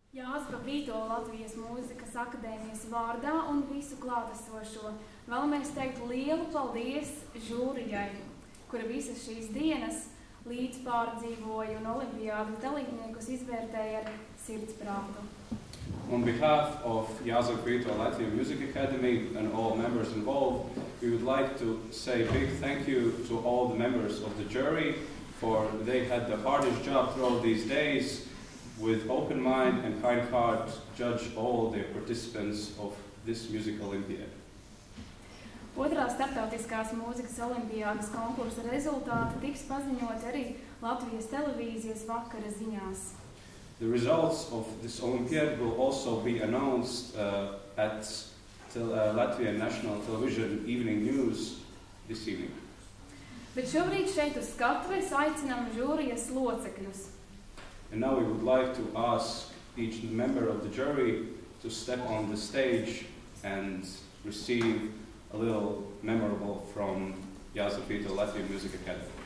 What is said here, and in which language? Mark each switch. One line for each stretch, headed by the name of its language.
Latvian: Jāzga Vito Latvijas mūzikas akadēmijas vārdā un visu klātesošo. Vēlamies teikt lielu paldies žūrijai, kura visas šīs dienas līdz pārdzīvoja un olimpiādu dalībniekus izvērtēja ar sirdsprātu.
English: On behalf of Jāzga Vito Latvijas Music Academy and all members involved, we would like to say a big thank you to all the members of the jury, for they had the hardest job throughout these days, with open mind and kind heart, judge all the participants of this music olympiad.
Latvian: Otrās starptautiskās mūzikas olimpiādes konkursa rezultāti tiks paziņot arī Latvijas televīzijas vakara ziņās.
English: The results of this olympiad will also be announced at Latvian National Television evening news this evening.
Latvian: Bet šobrīd šeit uz skatuves aicinām žūrijas locekļus.
English: And now we would like to ask each member of the jury to step on the stage and receive a little memorable from Jāzga Vito Latvijas Music Academy.